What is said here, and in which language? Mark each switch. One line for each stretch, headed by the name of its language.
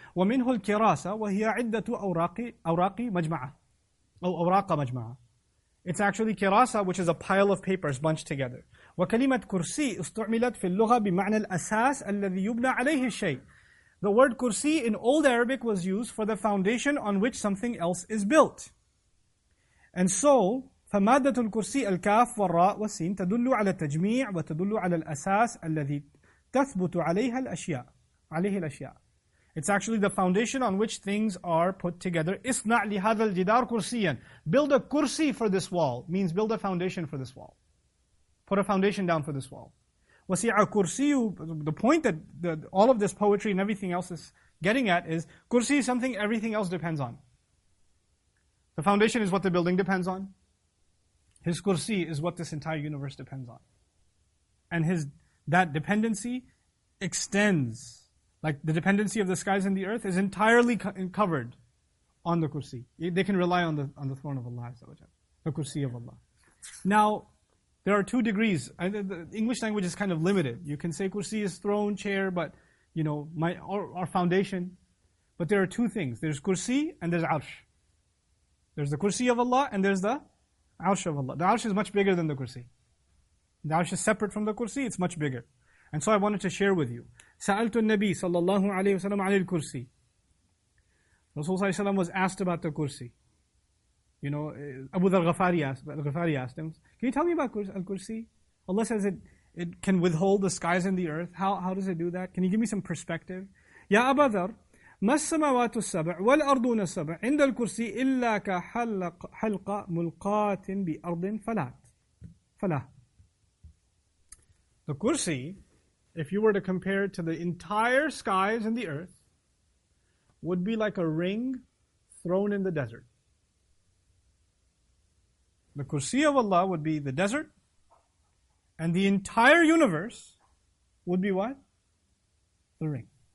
Arabic: ومنه الكراسة وهي عدة أوراق مجمعة. أو أوراق مجمعة.
English: It's actually كراسة, which is a pile of papers bunched together.
Arabic: وكلمة كرسي استعملت في اللغة بمعنى الأساس الذي يبنى عليه الشيء.
English: The word kursi in old Arabic was used for the foundation on which something else is built. And so,
Arabic: فمادة الكرسي الكاف والراء والسين تدل على التجميع وتدل على الأساس الذي تثبت عليها الأشياء. عليه الأشياء.
English: It's actually the foundation on which things are put together.
Arabic: اصنع لهذا الجدار كرسيا.
English: Build a kursi for this wall means build a foundation for this wall. Put a foundation down for this wall.
Arabic: وسيع كرسي,
English: the point that all of this poetry and everything else is getting at is kursi is something everything else depends on. The foundation is what the building depends on. His kursi is what this entire universe depends on. And his that dependency extends. Like the dependency of the skies and the earth is entirely covered on the kursi. They can rely on the throne of Allah, the kursi of Allah. Now, there are 2 degrees. The English language is kind of limited. You can say kursi is throne, chair, but you know, our foundation. But there are 2 things. There's kursi and there's arsh. There's the kursi of Allah and there's the arsh of Allah. The arsh is much bigger than the kursi. The arsh is separate from the kursi, it's much bigger. And so I wanted to share with you.
Arabic: سألت النبي صلى الله عليه وسلم عن الكرسي.
English: Rasulullah was asked about the kursi. You know, Abu Dhar Ghafari asked him, can you tell me about al-kursi? Allah says it can withhold the skies and the earth. How does it do that? Can you give me some perspective?
Arabic: يا أبا ذر ما السماوات السبع والأرضون السبع عند الكرسي إلا كحلقة ملقاة بأرض فلا.
English: The kursi, if you were to compare it to the entire skies and the earth, would be like a ring thrown in the desert. The kursi of Allah would be the desert, and the entire universe would be what? The ring.